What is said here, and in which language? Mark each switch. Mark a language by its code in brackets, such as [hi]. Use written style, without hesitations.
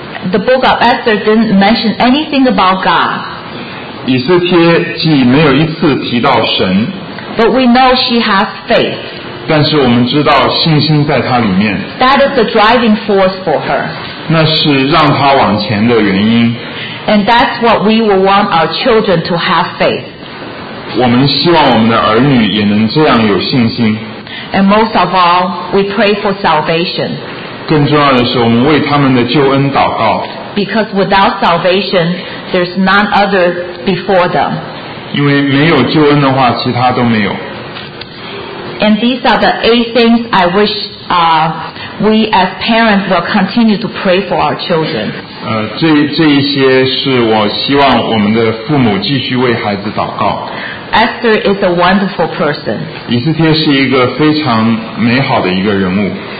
[en] the book of Esther didn't mention anything about God. [zh] 以斯帖记没有一次提到神。 [en] But we know she has faith. [zh] 但是我们知道信心在她里面。 [en] That is the driving force for her. [zh] 那是让她往前的原因。 [en] And that's what we will want our children to have faith. [zh] 我们希望我们的儿女也能这样有信心。 [en] And most of all, we pray for salvation. [zh] 更重要的是我们为他们的救恩祷告。 [en] Because without salvation, there's none other before them. [zh] 因为没有救恩的话，其他都没有。 [en] And these are the 8 things I wish we as parents will continue to pray for our children. [zh] 这一些是我希望我们的父母继续为孩子祷告。 [en] Esther is a wonderful person. [zh] 以斯帖是一个非常美好的一个人物。